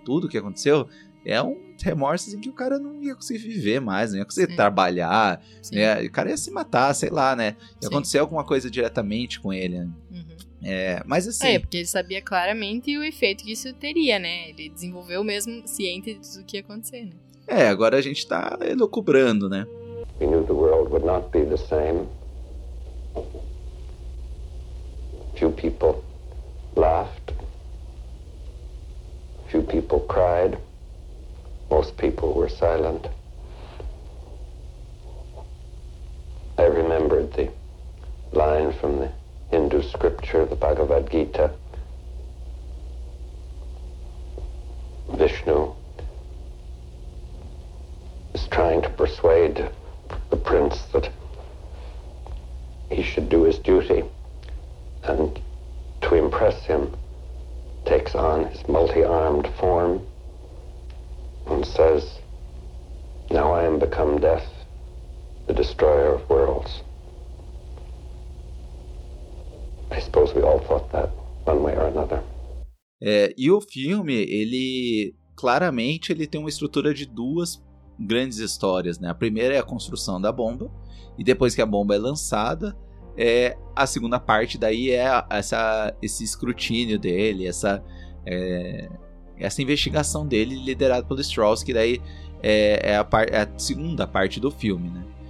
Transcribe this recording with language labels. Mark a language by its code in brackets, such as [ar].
[pt] Tudo que aconteceu, é um remorso, assim, que o cara não ia conseguir viver mais, não ia conseguir trabalhar, né? O cara ia se matar, sei lá, né? Ia acontecer alguma coisa diretamente com ele, né? Mas assim, porque ele sabia claramente o efeito que isso teria, né? Ele desenvolveu mesmo, ciente de tudo que ia acontecer, né? Agora a gente tá elucubrando, né? [en] We knew the world would not be the same. Few people laughed. Few people cried. Most people were silent. I remembered the line from the Hindu scripture, the Bhagavad Gita. Vishnu is trying to persuade the prince that he should do his duty, and to impress him takes on his multi-armed form and says, "Now I am become death, the destroyer of worlds." I suppose we all thought that one way or another. [pt] É, e o filme, ele claramente ele tem uma estrutura de duas grandes histórias, né? A primeira é a construção da bomba, e depois que a bomba é lançada, é, a segunda parte daí é essa, esse escrutínio dele, essa, é, essa investigação dele liderado pelo Strauss, que daí é, é, é a segunda parte do filme, né?